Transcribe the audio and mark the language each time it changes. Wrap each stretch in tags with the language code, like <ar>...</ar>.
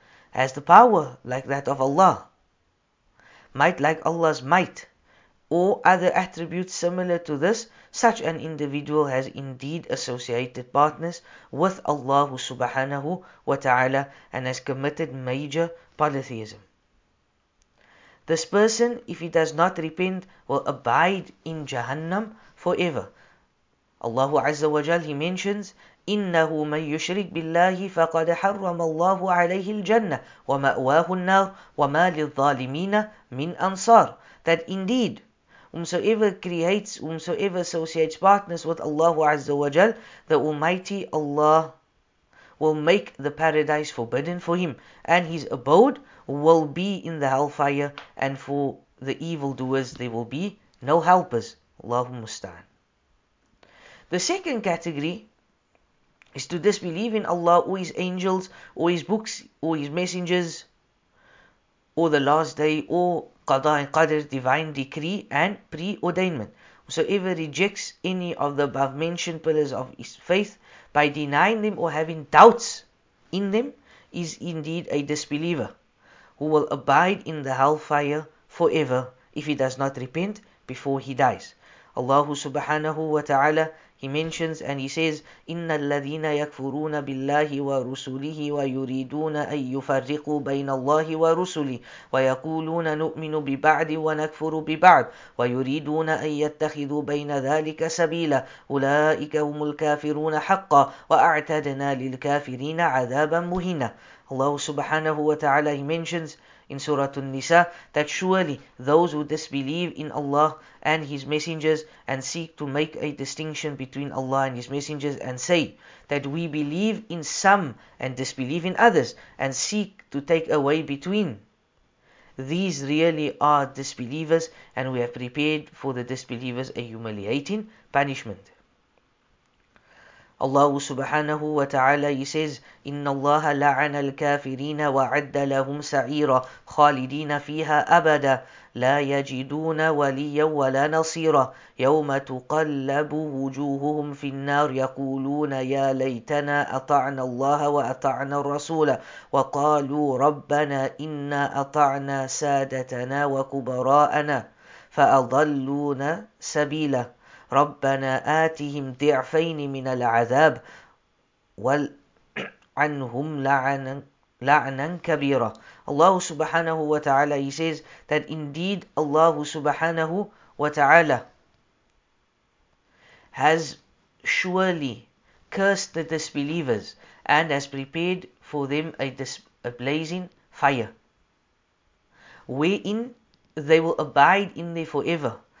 <en>has the power like that of Allah, might like Allah's might, or other attributes similar to this, such an individual has indeed associated partners with Allah subhanahu wa ta'ala and has committed major polytheism. This person, if he does not repent, will abide in Jahannam forever. Allah Azza wa Jal, he mentions,</en> <ar>إِنَّهُ مَنْ يُشْرِكْ بِاللَّهِ فَقَدْ حَرَّمَ اللَّهُ عَلَيْهِ الْجَنَّةِ وَمَأْوَاهُ النَّارِ وَمَا لِلظَّالِمِينَ مِنْ أَنصَارِ.</ar> <en>That indeed, whomsoever associates partners with Allah Azza wa Jal, the Almighty Allah will make the paradise forbidden for him, and his abode will be in the hellfire, and for the evildoers there will be no helpers. Allahu Musta'an. The second category is to disbelieve in Allah or His angels or His books or His messengers or the last day or Qada and Qadr, divine decree and preordainment. Whosoever rejects any of the above mentioned pillars of his faith by denying them or having doubts in them is indeed a disbeliever who will abide in the hellfire forever if he does not repent before he dies. Allah subhanahu wa ta'ala, he mentions and he says,</en> <ar>إِنَّ الَّذِينَ يَكْفُرُونَ بِاللَّهِ وَرُسُلِهِ وَيُرِيدُونَ أَن يُفَرِّقُوا بَيْنَ اللَّهِ وَرُسُلِهِ وَيَقُولُونَ نُؤْمِنُ بِبَعْدٍ وَنَكْفُرُ بِبَعْدٍ وَيُرِيدُونَ أَن يَتَّخِذُوا بَيْنَ ذَلِكَ سَبِيلًا أُولَئِكَ هُمُ الْكَافِرُونَ حَقًّا وَأَعْتَدْنَا لِلْكَافِرِينَ عَذَابًا مُهِينًا.</ar> <en>Allah subhanahu wa ta'ala, he mentions in Surah An-Nisa that surely those who disbelieve in Allah and His messengers and seek to make a distinction between Allah and His messengers and say that we believe in some and disbelieve in others and seek to take away between, these really are disbelievers, and we have prepared for the disbelievers a humiliating punishment. Allah subhanahu wa ta'ala, he says,</en> <ar>إِنَّ اللَّهَ لَعَنَ الْكَافِرِينَ وَعَدَّ لَهُمْ سَعِيرًا خَالِدِينَ فِيهَا أَبَدًا لَا يَجِدُونَ وَلِيًّا وَلَا نَصِيرًا يَوْمَ تُقَلَّبُ وُجُوهُهُمْ فِي النَّارِ يَقُولُونَ يَا لَيْتَنَا أَطَعْنَا اللَّهَ وَأَطَعْنَا الرَّسُولَ وَقَالُوا رَبَّنَا إِنَّا أَطَعْنَا سَادَتَنَا وَكُبَرَاءَنَا فَأَضَلُّونَا سَبِيلَا رَبَّنَا آتِهِمْ ضِعْفَيْنِ مِنَ الْعَذَابِ وَلْعَنْهُمْ لَعْنًا كَبِيرًا.</ar> <en>Allah subhanahu wa ta'ala, he says that indeed Allah subhanahu wa ta'ala has surely cursed the disbelievers and has prepared for them a blazing fire wherein they will abide in there forever.</en>